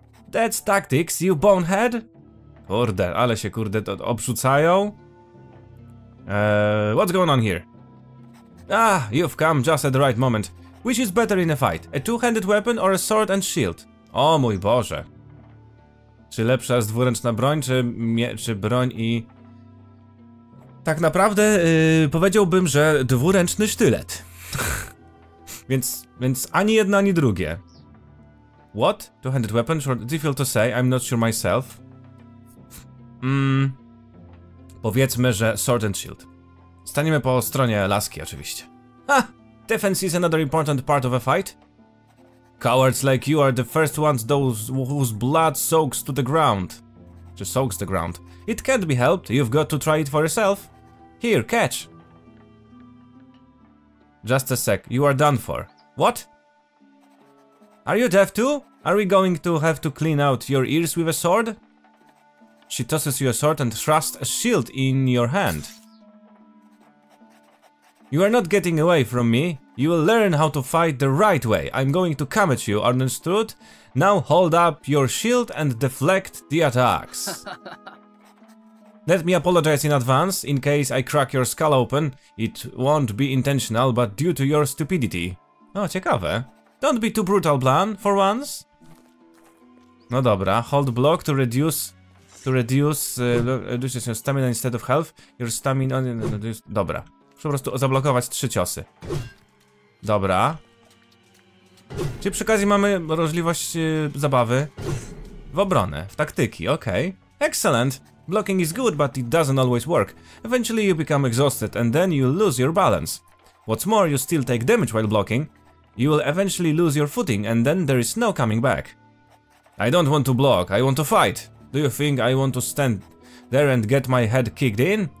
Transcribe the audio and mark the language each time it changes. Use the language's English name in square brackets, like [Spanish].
[English] That's tactics, you bonehead. [Polish] Kurde, ale się kurde to obrzucają. [English] What's going on here? Ah, you've come just at the right moment. Which is better in a fight? A two-handed weapon or a sword and shield? [Polish] O mój Boże. Czy lepsza jest dwuręczna broń, czy broń i... Tak naprawdę powiedziałbym, że dwuręczny sztylet. więc ani jedno, ani drugie. [English] What? Two-handed weapon? Short... Difficult to say, I'm not sure myself. [Polish] Powiedzmy, że Sword and Shield. Staniemy po stronie laski, oczywiście. Ha! [English] Defense is another important part of a fight. Cowards like you are the first ones whose blood soaks to the ground. Czy soaks the ground. It can't be helped, you've got to try it for yourself. Here, catch. Just a sec, you are done for. What? Are you deaf too? Are we going to have to clean out your ears with a sword? She tosses you a sword and thrusts a shield in your hand. You are not getting away from me. You will learn how to fight the right way. I'm going to come at you, understood? Now hold up your shield and deflect the attacks. Let me apologize in advance, in case I crack your skull open. It won't be intentional, but due to your stupidity. [Polish] O, ciekawe. [English] Don't be too brutal, Blan, for once. [Polish] No dobra, [English] hold block to reduce... reduce your stamina instead of health. Your stamina... [Polish] Dobra. Muszę po prostu zablokować trzy ciosy. Dobra. Czyli przy okazji mamy możliwość zabawy w obronę, w taktyki, okej. [English] Okay. Excellent! Blocking is good, but it doesn't always work. Eventually you become exhausted and then you lose your balance. What's more, you still take damage while blocking. You will eventually lose your footing and then there is no coming back. I don't want to block, I want to fight. Do you think I want to stand there and get my head kicked in?